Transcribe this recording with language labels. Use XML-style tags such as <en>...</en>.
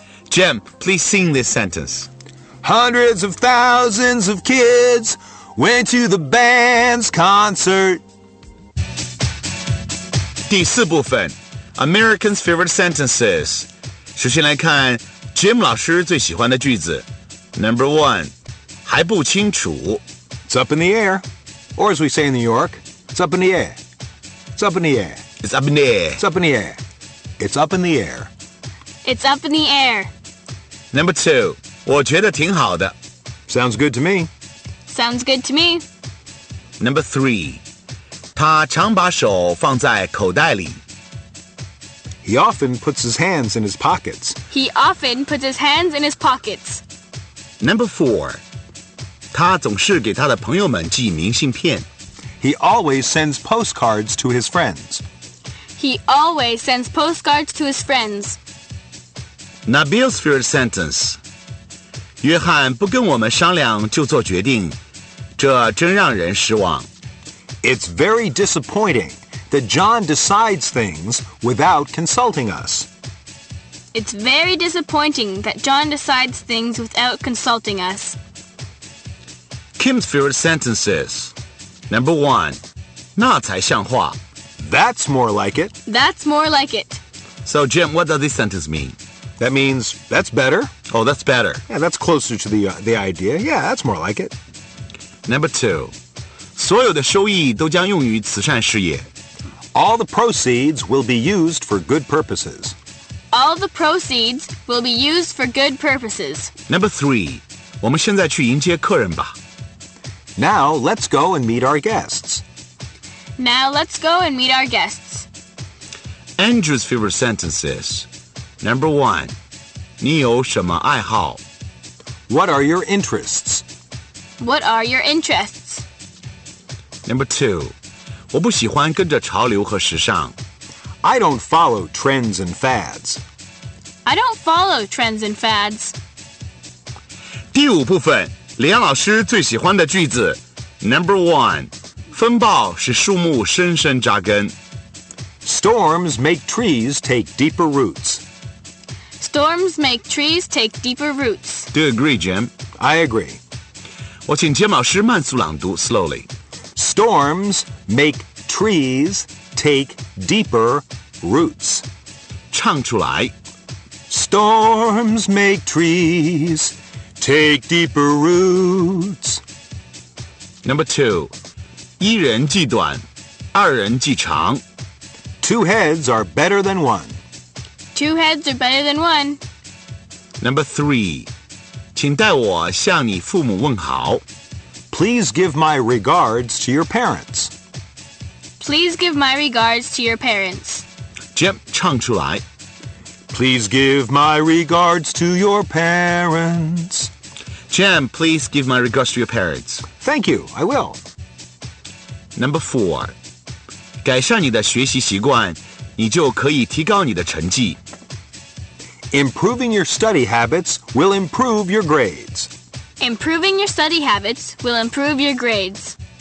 <en>Jim, please sing this sentence. Hundreds of thousands of kids went to the band's concert.</en> <zh>第四部分</zh> <en>,American's favorite sentences.</en> <zh>首先来看 Jim 老师最喜欢的句子。</zh> <en>Number one,</en> <zh>还不清楚。</zh> <en>It's up in the air. Or as we say in New York, it's up in the air. It's up in the air. It's up in the air. It's up in the air. It's up in the air. It's up in the air. Number two,</en> <zh>我觉得挺好的。</zh> <en>Sounds good to me. Sounds good to me. Number three,</en> <zh>他常把手放在口袋里。</zh> <en>He often puts his hands in his pockets. He often puts his hands in his pockets. Number four.</en> <zh>他总是给他的朋友们寄明信片。</zh> <en>He always sends postcards to his friends. He always sends postcards to his friends. Nabil's favorite sentence.</en> <zh>约翰不跟我们商量就做决定。这真让人失望。</zh> <en>It's very disappointing that John decides things without consulting us. It's very disappointing that John decides things without consulting us. Kim's favorite sentence is, number one,</en> <zh>那才像话。</zh> <en>That's more like it. That's more like it. So Jim, what does this sentence mean? That means, that's better. Oh, that's better. Yeah, that's closer to the idea. Yeah, that's more like it. Number two.</en> <zh>所有的收益都将用于慈善事业。</zh> <en>All the proceeds will be used for good purposes. All the proceeds will be used for good purposes. Number three,</en> <zh>我们现在去迎接客人吧。</zh> <en>Now let's go and meet our guests. Now let's go and meet our guests. Andrew's favorite sentence is, number one,</en> <zh>你有什么爱好？</zh> <en>What are your interests? What are your interests? Number two,</en> <zh>我不喜欢跟着潮流和时尚。</zh> <en>I don't follow trends and fads. I don't follow trends and fads.</en> <zh>第五部分，李阳老师最喜欢的句子。</zh> <en>Number one,</en> <zh>风暴使树木深深扎根。</zh> <en>Storms make trees take deeper roots. Storms make trees take deeper roots. Do you agree, Jim? I agree.</en> <zh>我请 Jim 老师慢速朗读</zh> <en>slowly. Storms make trees take deeper roots.</en> <zh>唱出来。</zh> <en>Storms make trees take deeper roots. Number two.</en> <zh>一人计短，二人计长。</zh> <en>Two heads are better than one. Two heads are better than one. Number three. 请代我向你父母问好。 Please give my regards to your parents. Please give my regards to your parents.</en> <zh>Jim, 唱出来。</zh> <en>Please give my regards to your parents. Jim, please give my regards to your parents. Thank you, I will. Number four.</en> <zh>改善你的学习习惯，你就可以提高你的成绩。</zh> <en>Improving your study habits will improve your grades. Improving your study habits will improve your grades.</en>